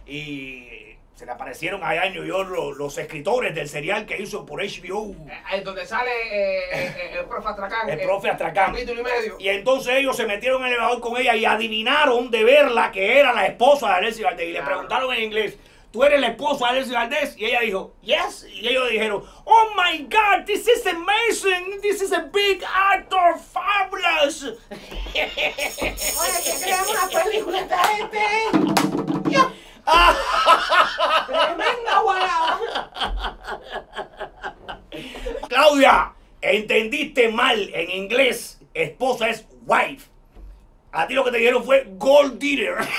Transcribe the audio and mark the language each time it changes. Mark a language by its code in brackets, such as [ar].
[es] Y se le aparecieron allá en New York los escritores del serial que hizo por HBO. Donde sale el profe Astracán. El profe Astracán. Capítulo y medio. Y entonces ellos se metieron en el elevador con ella y adivinaron de verla que era la esposa de Alexis Valdés. Y le preguntaron en inglés, ¿tú eres la esposa de Alexis Valdés? Y ella dijo, yes. Y ellos dijeron, [en] oh my God, this is amazing. This is a big actor, fabulous. [es] Oye, ¿qué crees una película de esta gente? ¡Tremenda guayada! Claudia, entendiste mal en inglés. Esposa es wife. A ti lo que te dijeron fue gold digger.